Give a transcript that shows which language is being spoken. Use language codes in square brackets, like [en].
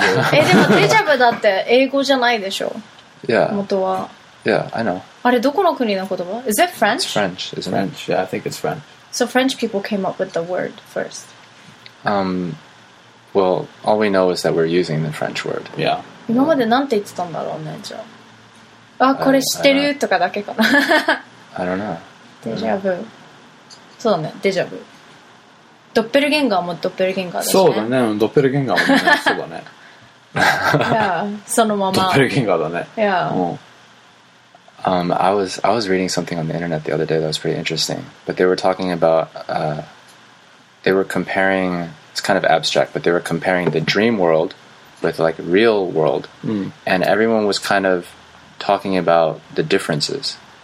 [ja] でも、déjà vu だって英語じゃないでしょ。 [en] Yeah. [ja] 元は。 [en] Yeah, I know. [ja] あれ、どこの国の言葉? [en] Is it French? It's French, isn't it? French, yeah, I think it's French. So, French people came up with the word first. Well, all we know is that we're using the French word. Yeah. [ja] 今までなんて言ってたんだろうね、じゃあ。あ、これ知ってるとかだけかな。 [en] I don't know. [ja] Déjà vu. そうね、デジャブ。ドッペルゲンガーもドッペルゲンガーだしね。そうだね、ドッペルゲンガーもね、そうだね。いや、そのまま。ドッペルゲンガーだね。いや。 [en] I was reading something on the internet the other day that was pretty interesting. But they were talking about, they were comparing, it's kind of abstract, but they were comparing the dream world with like real world. And everyone was kind of talking about the differences.